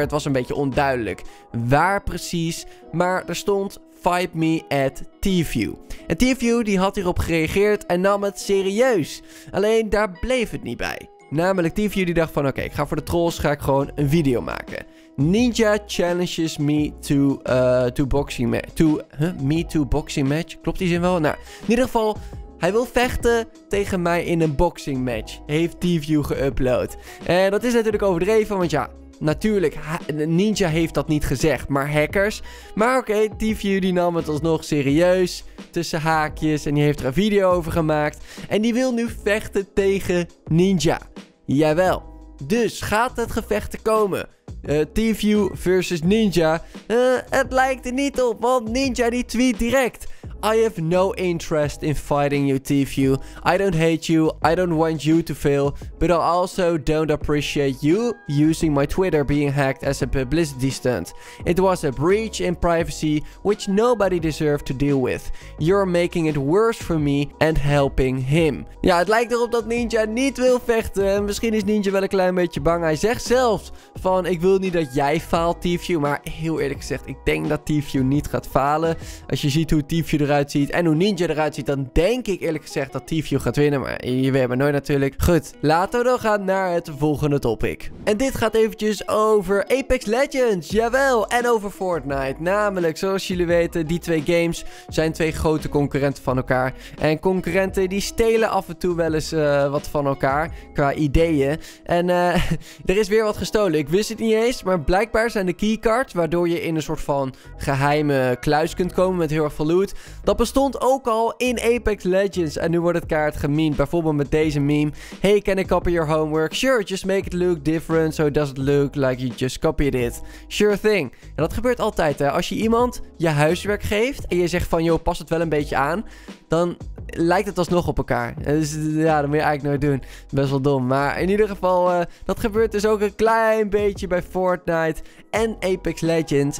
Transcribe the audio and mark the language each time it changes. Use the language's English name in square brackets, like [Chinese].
[Dutch] Het was een beetje onduidelijk waar precies, maar er stond [English] fight me [Dutch] at TeamView. En TeamView die had hierop gereageerd en nam het serieus. Alleen daar bleef het niet bij. Namelijk TeamView die dacht van, oké, ik ga voor de trolls, ga ik gewoon een video maken. [English] Ninja challenges me to boxing match. [Dutch] Klopt die zin wel? Nou, in ieder geval, hij wil vechten tegen mij in een boxing match, heeft TeamView geüpload. En dat is natuurlijk overdreven, want ja, natuurlijk, Ninja heeft dat niet gezegd, maar hackers. Maar oké, TeamView die nam het alsnog serieus, tussen haakjes, en die heeft er een video over gemaakt. En die wil nu vechten tegen Ninja. Jawel. Dus, gaat het gevecht te komen? TeamView versus Ninja? Het lijkt er niet op, want Ninja die tweet direct, [English] I have no interest in fighting you, TeamView. I don't hate you. I don't want you to fail. But I also don't appreciate you using my Twitter being hacked as a publicity stunt. It was a breach in privacy which nobody deserved to deal with. You're making it worse for me and helping him. [Dutch] Ja, het lijkt erop dat Ninja niet wil vechten. En misschien is Ninja wel een klein beetje bang. Hij zegt zelfs van, ik wil niet dat jij faalt, TeamView. Maar heel eerlijk gezegd, ik denk dat TeamView niet gaat falen. Als je ziet hoe TeamView eruit ziet en hoe Ninja eruit ziet, dan denk ik eerlijk gezegd dat TeamView gaat winnen, maar je weet maar nooit natuurlijk. Goed, laten we dan gaan naar het volgende topic. En dit gaat eventjes over Apex Legends, jawel, en over Fortnite. Namelijk, zoals jullie weten, die twee games zijn twee grote concurrenten van elkaar. En concurrenten die stelen af en toe wel eens wat van elkaar qua ideeën. En er is weer wat gestolen. Ik wist het niet eens, maar blijkbaar zijn de keycards waardoor je in een soort van geheime kluis kunt komen met heel erg veel loot. Dat bestond ook al in Apex Legends. En nu wordt het kaart gememd. Bijvoorbeeld met deze meme. [English] Hey, can I copy your homework? Sure, just make it look different so it doesn't look like you just copied it. Sure thing. [Dutch] En dat gebeurt altijd, hè. Als je iemand je huiswerk geeft en je zegt van, joh, pas het wel een beetje aan, dan lijkt het alsnog op elkaar. Dus ja, dat moet je eigenlijk nooit doen. Best wel dom. Maar in ieder geval, dat gebeurt dus ook een klein beetje bij Fortnite en Apex Legends.